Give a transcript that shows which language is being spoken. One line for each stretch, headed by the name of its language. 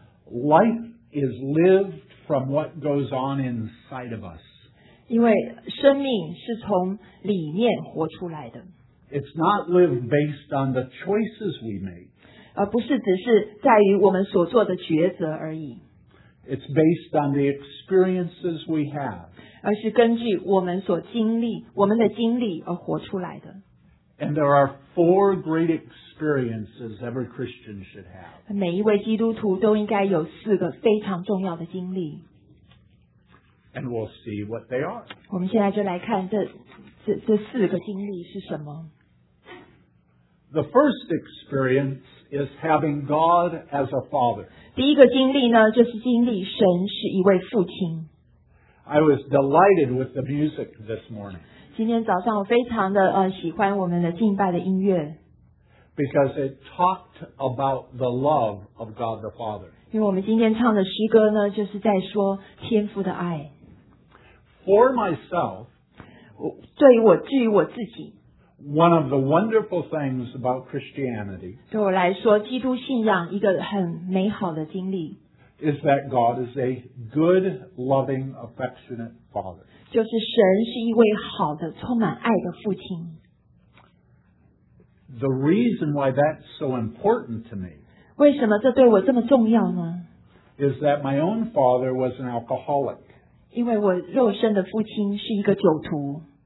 English: Life is lived from what goes on inside of us.
Chinese: 因为生命是从里面活出来的。
English: It's not lived based on the choices we make.
Chinese: 不是只是在于我们所做的抉择而已。
English: It's based on the experiences we have.
Chinese: 而是根据我们的经历而活出来的。
English: And there are four great experiences every Christian should have.
Chinese: 每一位基督徒都应该有四个非常重要的经历。
English: And we'll see what they are.
Chinese: 我们现在就来看这四个经历是什么。
English: The first experience is having God as a father.
Chinese: 第一个经历呢，就是经历神是一位父亲。
English: I was delighted with the music this morning.
Chinese: 今天早上我非常的喜欢我们的敬拜的音乐。
English: Because it talked about the love of God the Father.
Chinese: 因为我们今天唱的诗歌呢，就是在说天父的爱。
English: For myself,
Chinese: 至于我自己。
English: One of the wonderful things about Christianity
Chinese: 对我来说基督信仰一个很美好的经历
English: is that God is a good, loving, affectionate father.
Chinese: 就是神是一位好的充满爱的父亲。
English: The reason why that's so important to me
Chinese: 为什么这对我这么重要呢
English: is that my own father was an alcoholic.
Chinese: 因为我肉身的父亲是一个酒徒。